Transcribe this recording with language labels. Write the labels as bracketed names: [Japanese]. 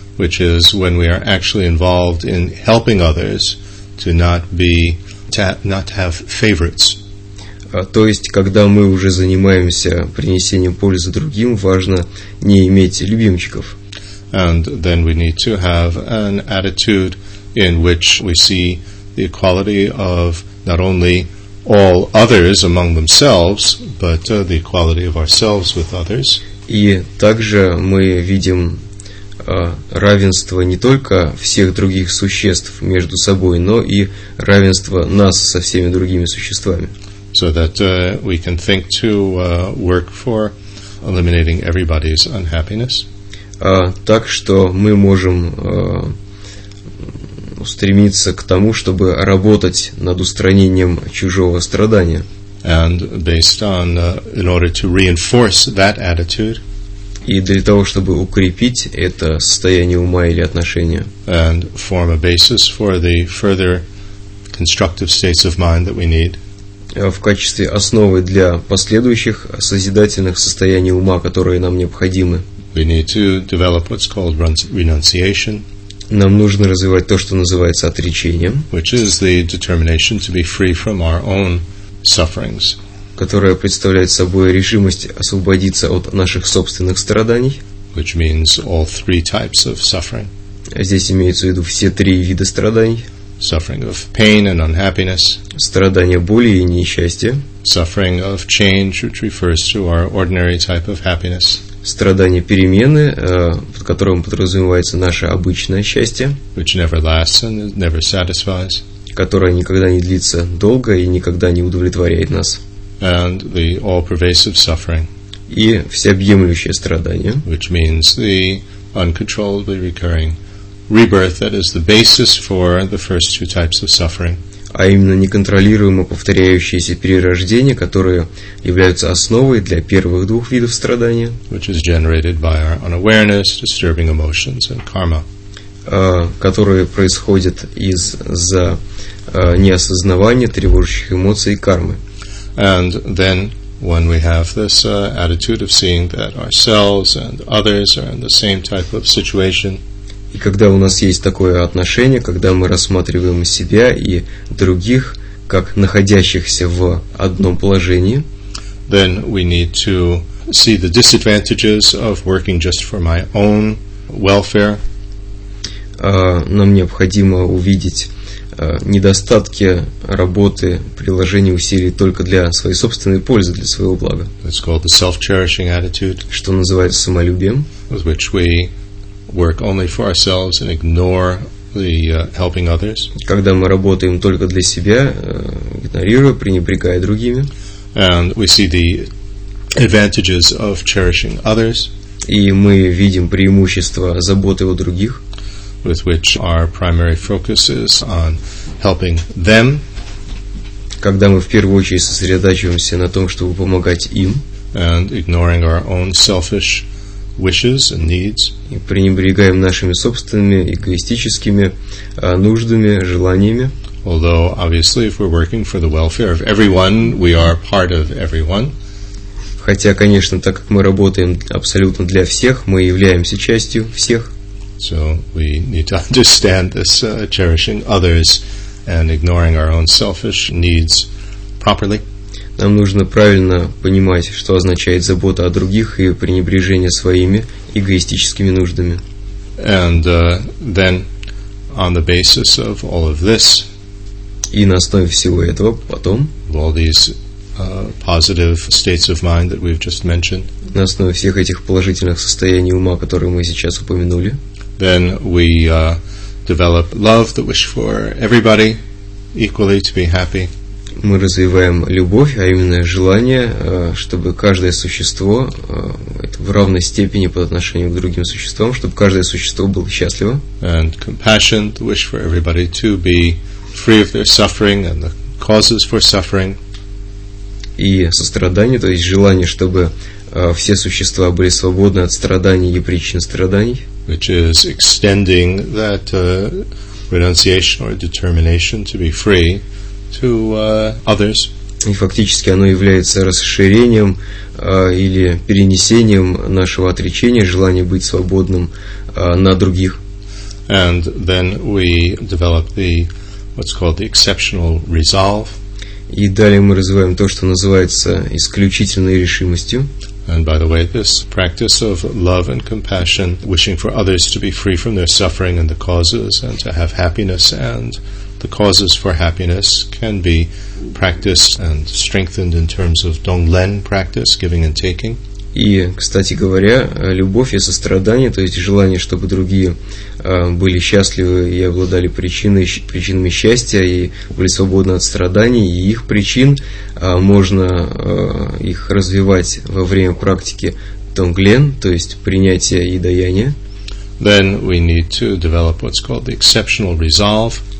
[English] which is when we are actually involved in helping others to not be not have favorites. [Russian] То есть, когда мы уже занимаемся принесением пользы другим, важно не иметь любимчиков. [English] And then we need to have an attitude in which we see the equality of not only all others among themselves, but the equality of ourselves with others. [Russian] И также мы видим равенство не только всех других существ между собой, но и равенство нас со всеми другими существами. [English] So that we can think to work for eliminating everybody's unhappiness. [Russian] Так что мы можем стремиться к тому, чтобы работать над устранением чужого страдания. [English] And based on, in order to reinforce that attitude. [Russian] И для того, чтобы укрепить это состояние ума или отношения. [English] And form a basis for the further constructive states of mind that we need. [Russian] В качестве основы для последующих созидательных состояний ума, которые нам необходимы. [English] We need to develop what's called renunciation. [Russian] Нам нужно развивать то, что называется отречением. [English] Which is the determination to be free from our own sufferings. [Russian] Которая представляет собой решимость освободиться от наших собственных страданий. [English] Which means all three types of suffering. [Russian] Здесь имеется в виду все три вида страданий. [English] Suffering of pain and unhappiness. [Russian] Страдания боли и несчастья. [English] Suffering of change, which refers to our ordinary type of happiness. [Russian] Страдания перемены, под которым подразумевается наше обычное счастье. [English] Which never lasts and never satisfies. [Russian] Которое никогда не длится долго и никогда не удовлетворяет нас. [English] And the all-pervasive suffering. [Russian] И всеобъемлющее страдание. [English] Which means the uncontrollably recurring rebirth that is the basis for the first two types of suffering. [Russian] А именно неконтролируемо повторяющиеся перерождения, которые являются основой для первых двух видов страдания. [English] Which is generated by our unawareness, disturbing emotions, and karma. [Russian] Которые происходят из-за неосознавания, тревожащих эмоций и кармы. [English] And then when we have this attitude of seeing that ourselves and others are in the same type of situation. [Russian] И когда у нас есть такое отношение, когда мы рассматриваем себя и других как находящихся в одном положении, [English] then we need to see the disadvantages of working just for my own welfare. [Russian] Нам необходимо увидеть недостатки работы, приложения усилий только для своей собственной пользы, для своего блага. [English] That's called the self-cherishing attitude, [Russian] что называется самолюбием, [English] with which we work only for ourselves and ignore the helping others. [Russian] Когда мы работаем только для себя, игнорируя, пренебрегая другими. [English] And we see the advantages of cherishing others. [Russian] И мы видим преимущества заботы о других. [English] With which our primary focus is on helping them. [Russian] Когда мы в первую очередь сосредотачиваемся на том, чтобы помогать им. [English] And ignoring our own selfish wishes and needs. [Russian] И пренебрегаем нашими собственными эгоистическими нуждами, желаниями. [English] Although obviously if we're working for the welfare of everyone, we are part of everyone. [Russian] Хотя, конечно, так как мы работаем абсолютно для всех, мы являемся частью всех. [English] So we need to understand this cherishing others and ignoring our own selfish needs properly. [Russian] Нам нужно правильно понимать, что означает забота о других и пренебрежение своими эгоистическими нуждами. [English] And then on the basis of all of this, [Russian] и на основе всего этого потом, [English] all these positive states of mind that we've just mentioned, [Russian] на основе всех этих положительных состояний ума, которые мы сейчас упомянули, [English] then we develop love, the wish for everybody equally to be happy. [Russian] Мы развиваем любовь, а именно желание, чтобы каждое существо в равной степени по отношению к другим существам, чтобы каждое существо было счастливо. [English] And compassion, the wish for everybody to be free of their suffering and the causes for suffering. [Russian] И сострадание, то есть желание, чтобы все существа были свободны от страданий и причин страданий. [English] Which is extending that renunciation or determination to be free to others. [Russian] И фактически оно является расширением или перенесением нашего отречения, желания быть свободным на других. [English] And then we develop the what's called the exceptional resolve. [Russian] И далее мы развиваем то, что называется исключительной решимостью. [English] And by the way, this practice of love and compassion, wishing for others to be free from their suffering and the causes and to have happiness and the causes for happiness can be practiced and strengthened in terms of donglen practice, giving and taking. [Russian] И, кстати говоря, любовь и сострадание, то есть желание, чтобы другие были счастливы и обладали причинами счастья и были свободны от страданий и их причин, можно их развивать во время практики тонглен, то есть принятия и даяния. [English] Then we need to develop what's called the exceptional resolve.